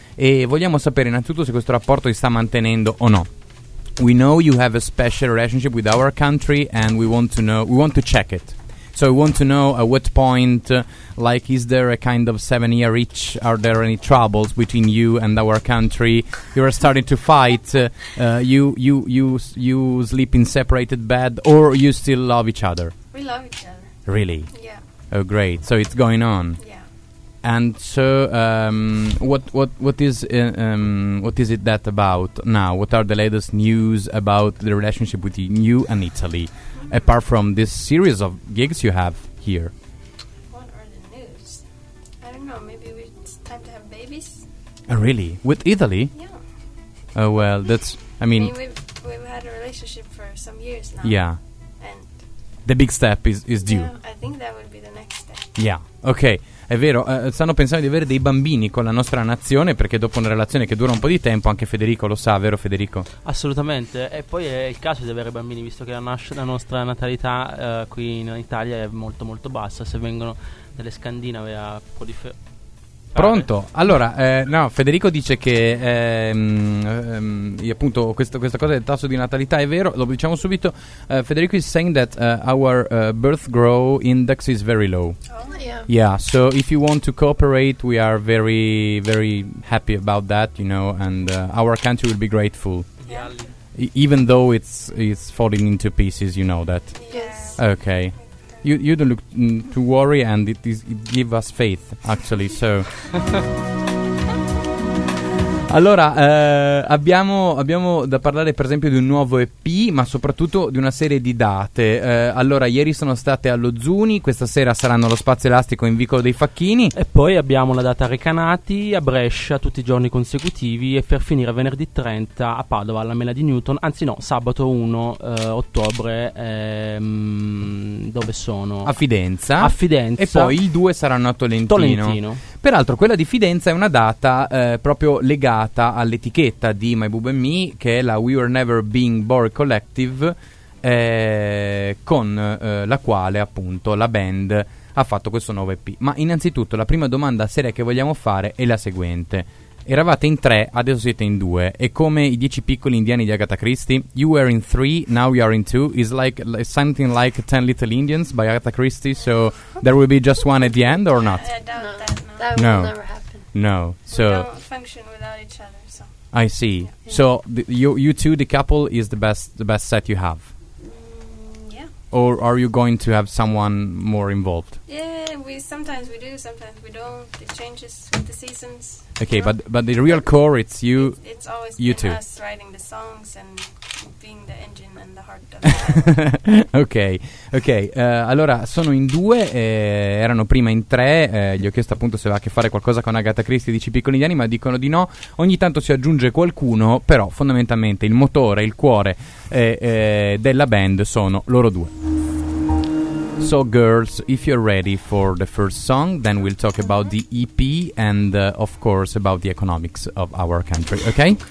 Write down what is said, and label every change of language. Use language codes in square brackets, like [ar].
[it] e vogliamo sapere innanzitutto se questo rapporto si sta mantenendo o no. [en] We know you have a special relationship with our country and we want to check it. So I want to know at what point, like, is there a kind of 7-year itch? Are there any troubles between you and our country? You are starting to fight. You sleep in separated bed, or you still love each other? We love each other. Really? Yeah. Oh, great! So it's going on. Yeah. And so, what is it that about now? What are the latest news about the relationship between you and Italy? Apart from this series of gigs you have here. What are the news? I don't know, maybe it's time to have babies? Oh, really? With Italy? Yeah. Oh, well, that's... I mean we've had a relationship for some years now. Yeah. And... the big step is due. Yeah, I think that would be the next step. Yeah, okay. [it] È vero, stanno pensando di avere dei bambini con la nostra nazione perché dopo una relazione che dura un po' di tempo, anche Federico lo sa, vero Federico? Assolutamente, e poi è il caso di avere bambini visto che la nostra natalità qui in Italia è molto molto bassa, se vengono dalle Scandinave a un po' di... Pronto? Allora, no, Federico dice che appunto questa cosa del tasso di natalità è vero, lo diciamo subito. [en] Federico is saying that our birth growth index is very low. Oh, yeah. Yeah, so if you want to cooperate, we are very, very happy about that, you know, and our country will be grateful. Yeah. Even though it's falling into pieces, you know that. Yes. Okay. You don't look to worry, and it give us faith actually. [it] So, allora abbiamo da parlare per esempio di un nuovo EP, ma soprattutto di una serie di date. Allora, ieri sono state allo Zuni, questa sera saranno allo Spazio Elastico in Vicolo dei Facchini. E poi abbiamo la data a Recanati, a Brescia tutti i giorni consecutivi, e per finire venerdì 30 a Padova alla Mela di Newton. Anzi no, sabato 1 ottobre dove sono? A Fidenza. E poi il 2 saranno a Tolentino. Peraltro quella di Fidenza è una data proprio legata all'etichetta di My Bubba and Me, che è la We Were Never Being Bored Collective, con la quale appunto la band ha fatto questo nuovo EP. Ma innanzitutto la prima domanda seria che vogliamo fare è la seguente: eravate in 3, adesso siete in 2, è come i 10 piccoli indiani di Agatha Christie. [en] You were in 3, now you are in 2. It's like something like 10 Little Indians by Agatha Christie. So there will be just one at the end or not? That will never happen. No. So we don't function without each other. So I see. Yeah. So you two, the couple, is the best set you have. Yeah. Or are you going to have someone more involved? Yeah, sometimes we do, sometimes we don't. It changes with the seasons. Okay, you know? but the real core, it's you. It's always you been two. Us writing the songs and being the engine and the heart of the Okay. [it] Allora, sono in 2, erano prima in 3, gli ho chiesto appunto se aveva a che fare qualcosa con Agatha Christie, dici piccoli indiani, ma dicono di no. Ogni tanto si aggiunge qualcuno, però fondamentalmente il motore, il cuore della band sono loro due. [en] So girls, if you're ready for the first song, then we'll talk about the EP and of course about the economics of our country, okay?